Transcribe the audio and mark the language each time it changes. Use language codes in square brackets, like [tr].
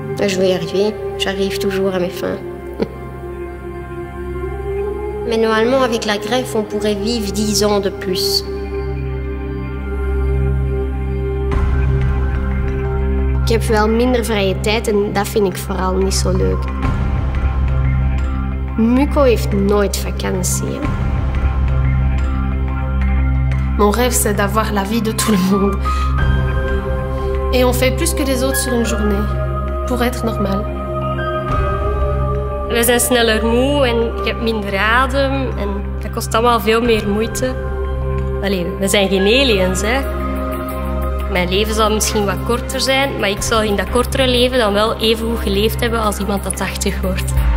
[fr] Je vais y arriver, j'arrive toujours à mes fins. Mais normalement, avec la greffe, on pourrait vivre 10 ans de plus. [nl] Ik heb wel minder vrije tijd en dat vind ik vooral niet zo leuk. Muco heeft nooit vakantie. [fr] Mon rêve, c'est d'avoir la vie de tout le monde. Et on fait plus que les autres sur une journée. Pour être normal. [nl] We zijn sneller moe en ik heb minder adem en dat kost allemaal veel meer moeite. Allee, we zijn geen aliens, hè. Mijn leven zal misschien wat korter zijn, maar ik zal in dat kortere leven dan wel even goed geleefd hebben als iemand dat 80 wordt.